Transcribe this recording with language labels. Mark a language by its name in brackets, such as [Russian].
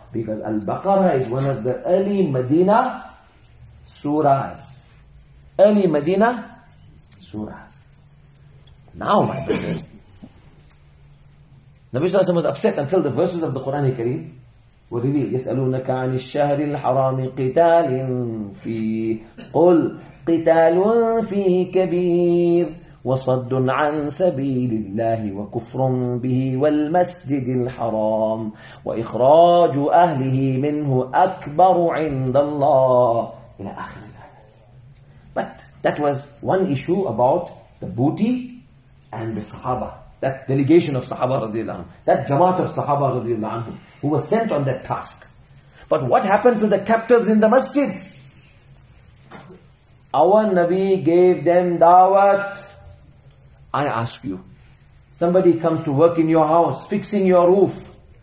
[English] Because Al-Baqarah is one of the early Medina surahs. Early Medina surahs. Now, my brothers, Nabi Sallallahu Alaihi Wasallam was upset until the verses of the Quran Kareem were revealed. [Arabic] يَسْأَلُونَكَ عَنِ الشَّهْرِ الْحَرَامِ قِتَالٍ فِيهِ قُلْ قِتَالٌ فِيهِ كَبِيرٌ وصد عن سبيل الله وكفر به والمسجد الحرام وإخراج أهله منه أكبر عند الله إلى آخر الآية. [English] But that was one issue about the booty and the Sahaba. That delegation of Sahaba رضي الله عنهم. That jamaat of Sahaba رضي الله عنهم who was sent on that task. But what happened to the captives in the masjid? Our Nabi gave them dawat. I ask you, somebody comes to work in your house, fixing your roof.